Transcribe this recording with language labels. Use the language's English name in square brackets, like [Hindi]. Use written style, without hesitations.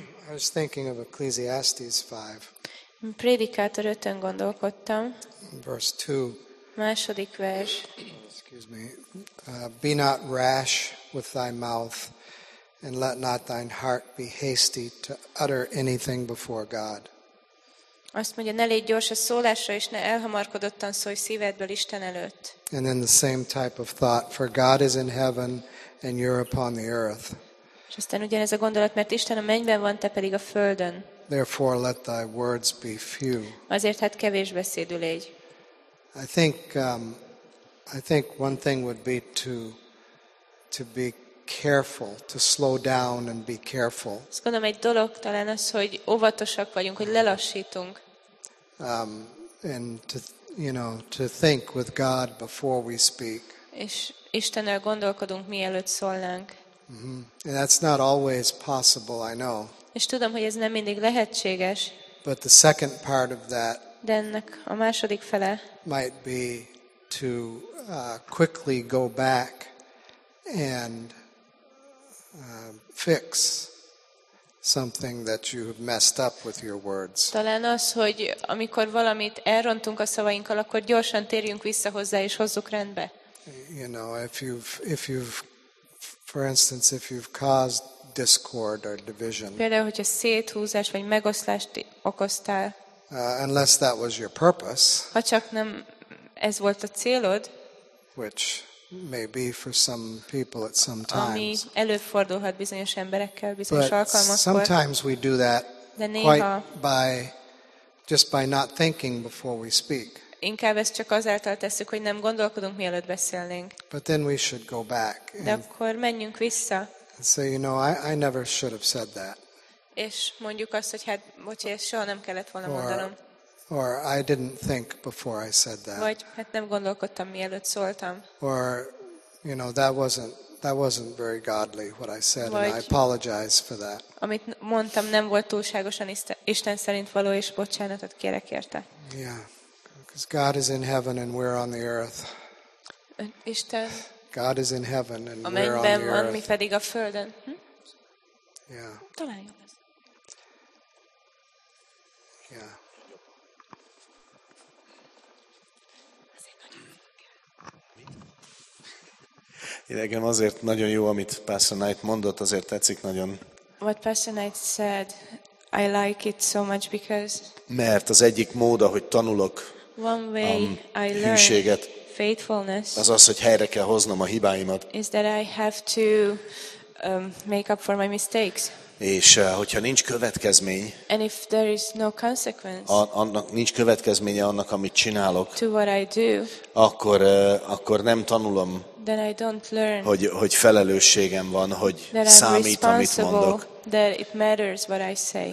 [English] I was thinking of Ecclesiastes 5. [Hungarian] Prédikátor 5-ön gondolkodtam. [English] Verse 2. [Hungarian] Második vers. [English] Excuse me. Be not rash with thy mouth, and let not thine heart be hasty to utter anything before God. [Hungarian] Azt mondja, ne légy gyors a szólásra, és ne elhamarkodottan szólj szívedből Isten előtt. [English] And then the same type of thought, for God is in heaven, and you're upon the earth. [Hungarian] És aztán ugyanez a gondolat, mert Isten a mennyben van, te pedig a földön. [English] Therefore let thy words be few. [Hungarian] Azért hát kevés beszédű légy. [English] I think one thing would be to be careful, to slow down and be careful. [Hungarian] Azt gondolom, egy dolog talán az, hogy óvatosak vagyunk, hogy lelassítunk. [English] And to think with God before we speak. [Hungarian] És Istennel gondolkodunk, mielőtt szólnánk. [English] And that's not always possible, I know. [Hungarian] És tudom, hogy ez nem mindig lehetséges. [English] But the second part of that, [Hungarian] de ennek a második fele, [English] might be to quickly go back and fix something that you have messed up with your words. [Hungarian] Talán az, hogy amikor valamit elrontunk a szavainkkal, akkor gyorsan térjünk vissza hozzá és hozzuk rendbe. [English] You know, if you've for instance, if you've caused discord or division. [Hungarian] Például, hogyha széthúzás vagy megoszlást okoztál. [English] Unless that was your purpose. [Hungarian] Ha csak nem ez volt a célod. [English] Which may be for some people at some times. [Hungarian] Ami előfordulhat bizonyos emberekkel bizonyos alkalmakkor. [English] Sometimes we do that quite by not thinking before we speak. [Hungarian] Inkább ezt csak azáltal tesszük, hogy nem gondolkodunk mielőtt beszélnénk. [English] But then we should go back. [Hungarian] De akkor menjünk vissza. [English] So you know, I never should have said that. [Hungarian] És mondjuk azt, hogy hát, bocsi, ezt soha nem kellett volna mondanom. [English] Or I didn't think before I said that. [Hungarian] Vagy hát nem gondolkodtam mielőtt szóltam. [English] Or you know, that wasn't very godly what I said, vagy, and I apologize for that. [Hungarian] Amit mondtam, nem volt túlságosan Isten szerint való, és bocsánatot kérek érte. [English] Yeah. Because God is in heaven and we're on the earth. [Hungarian] Isten. [English] God is in heaven and we're on the earth. [Hungarian] Amennyben van, mi pedig a földön. [English] Yeah. [Hungarian] Talán jó lesz. [English] Yeah. [Hungarian] Igen, azért nagyon jó, amit Pastor Knight mondott, azért tetszik nagyon. [English] What Pastor Knight said, I like it so much because. [Hungarian] Mert az egyik mód, ahogy tanulok. [English] One way I learn faithfulness. [Hungarian] Az az, hogy helyre kell hoznom a hibáimat. [English] Is that I have to make up for my mistakes. [Hungarian] És hogyha nincs következmény. [English] And if there is no consequence. [Hungarian] Annak nincs következménye annak, amit csinálok. [English] To what I do. [Hungarian] Akkor nem tanulom. [English] Then I don't learn. [Hungarian] Hogy felelősségem van, hogy számít, amit mondok. [English] That it matters what I say.